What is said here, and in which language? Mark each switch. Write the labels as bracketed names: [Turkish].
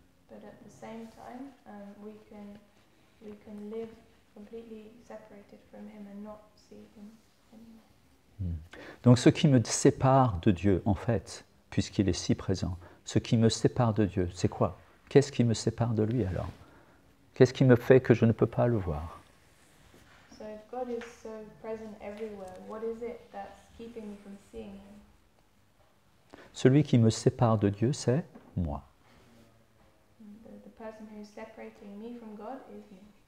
[English] But at the same time, we can live completely separated from him and not see him anymore. [French] Donc ce qui me sépare de Dieu, en fait, puisqu'il est si présent, ce qui me sépare de Dieu, c'est quoi? Qu'est-ce qui me sépare de lui, alors? Qu'est-ce qui me fait que je ne peux pas le voir? [English] So if God is so present everywhere, what is it that's keeping me from seeing him? [French] Celui qui me sépare de Dieu, c'est moi. [English] The person who is separating me from God is me.